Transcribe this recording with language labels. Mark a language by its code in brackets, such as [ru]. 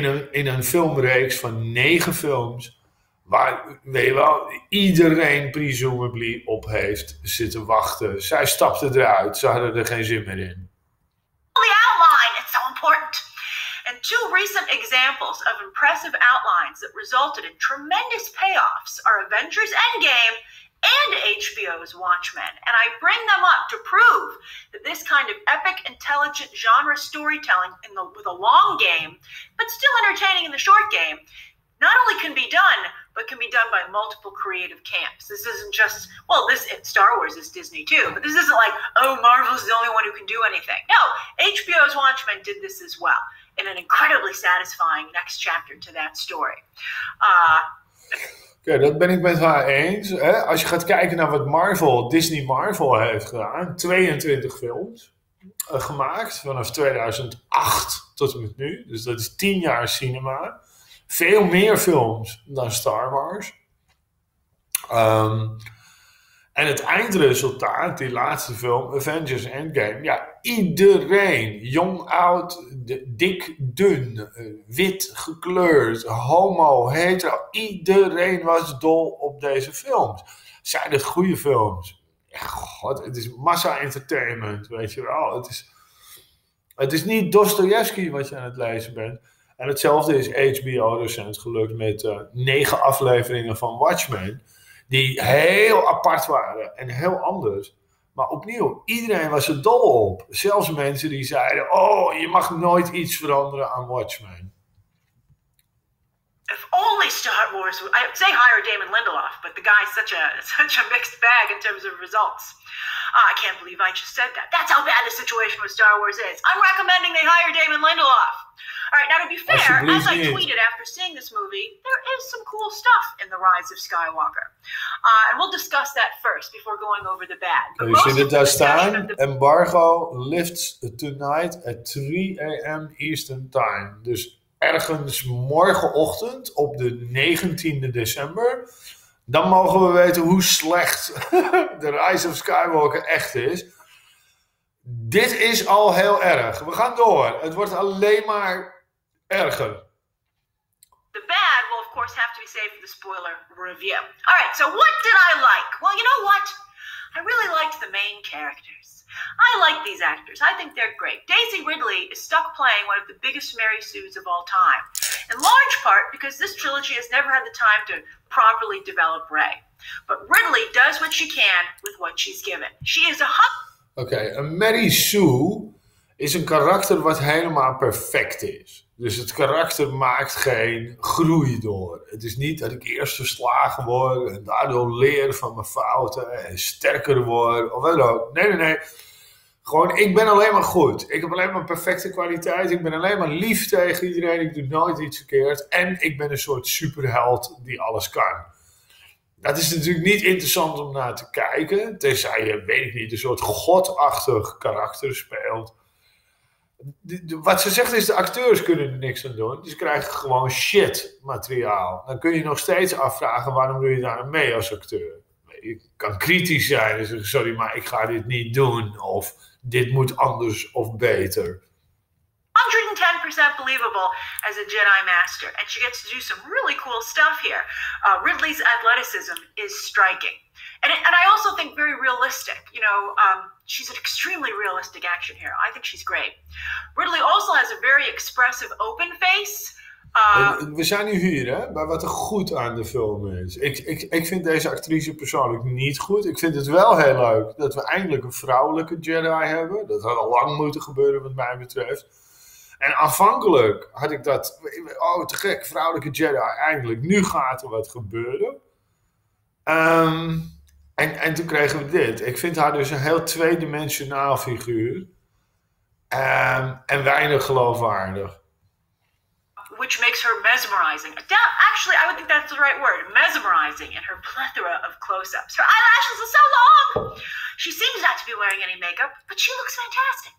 [nl] In een filmreeks van 9 films. Waar, weet je wel, iedereen presumably op heeft zitten wachten. Zij stapte eruit. Ze hadden er geen zin meer in. [en] The outline, it's so important. And two recent examples of impressive outlines that resulted in tremendous payoffs are Avengers Endgame and HBO's Watchmen. And I bring them up to prove that this kind of epic, intelligent genre storytelling with a long game, but still entertaining in the short game, not only can be done, but can be done by multiple creative camps. This isn't just, well, this Star Wars is Disney too, but this isn't like, oh, Marvel's the only one who can do anything. No, HBO's Watchmen did this as well in an incredibly satisfying next chapter to that story. [nl] Okay, dat ben ik met haar eens. Hè? Als je gaat kijken naar wat Marvel, Disney Marvel heeft gedaan, 22 films gemaakt vanaf 2008 tot en met nu. Dus dat is 10 jaar cinema. Veel meer films dan Star Wars. En het eindresultaat, die laatste film, Avengers Endgame. Ja, iedereen, jong, oud, dik, dun, wit, gekleurd, homo, hetero. Iedereen was dol op deze films. Zijn het goede films? Ja, god, het is massa entertainment, weet je wel. Het is niet Dostoevsky wat je aan het lezen bent. En hetzelfde is HBO recent gelukt met 9 afleveringen van Watchmen. Die heel apart waren en heel anders. Maar opnieuw, iedereen was er dol op. Zelfs mensen die zeiden, oh, je mag nooit iets veranderen aan Watchmen. [en] If only Star Wars, I would say hire Damon Lindelof, but the guy's such a mixed bag in terms of results. I can't believe I just said that. That's how bad the situation with Star Wars is. I'm recommending they hire Damon Lindelof. All right, now to be fair, as I tweeted after seeing this movie, there is some cool stuff in The Rise of Skywalker. And we'll discuss that first before going over the bad. But you see it there staan? Embargo lifts tonight at 3 a.m. Eastern Time. [nl] Dus ergens morgenochtend op de 19e december. Dan mogen we weten hoe slecht The Rise of Skywalker echt is. Dit is al heel erg. We gaan door. Het wordt alleen maar erger. [en] The bad will of course have to be saved for the spoiler review. All right, so what did I like? Well, you know what? I really liked the main characters. I like these actors. I think they're great. Daisy Ridley is stuck playing one of the biggest Mary Sues of all time. In large part because this trilogy has never had the time to properly develop Rey. But Ridley does what she can with what she's given. She is a [nl] Okay, een Mary Sue is een karakter wat helemaal perfect is. Dus het karakter maakt geen groei door. Het is niet dat ik eerst verslagen word en daardoor leer van mijn fouten en sterker word of wat ook. Nee. Gewoon, ik ben alleen maar goed. Ik heb alleen maar perfecte kwaliteit. Ik ben alleen maar lief tegen iedereen. Ik doe nooit iets verkeerd. En ik ben een soort superheld die alles kan. Dat is natuurlijk niet interessant om naar te kijken. Tenzij je, weet ik niet, een soort godachtig karakter speelt. Wat ze zegt is, de acteurs kunnen er niks aan doen. Dus ze krijgen gewoon shit materiaal. Dan kun je nog steeds afvragen, waarom doe je daar mee als acteur? Je kan kritisch zijn en zeggen, sorry, maar ik ga dit niet doen. Of dit moet anders of beter. [en] 110% believable as a Jedi Master, and she gets to do some really cool stuff here. Ridley's athleticism is striking, and I also think very realistic. You know, she's an extremely realistic action hero. I think she's great. Ridley also has a very expressive, open face. [nl] We zijn nu hier, hè, bij wat er goed aan de film is. Ik vind deze actrice persoonlijk niet goed. Ik vind het wel heel leuk dat we eindelijk een vrouwelijke Jedi hebben. Dat had al lang moeten gebeuren, wat mij betreft. En aanvankelijk had ik dat, oh te gek, vrouwelijke Jedi, eindelijk, nu gaat er wat gebeuren. En toen kregen we dit. Ik vind haar dus een heel tweedimensionaal figuur en weinig geloofwaardig. [en] Which makes her mesmerizing. Actually, I would think that's the right word. Mesmerizing in her plethora of close-ups. Her eyelashes are so long. She seems not to be wearing any makeup, but she looks fantastic.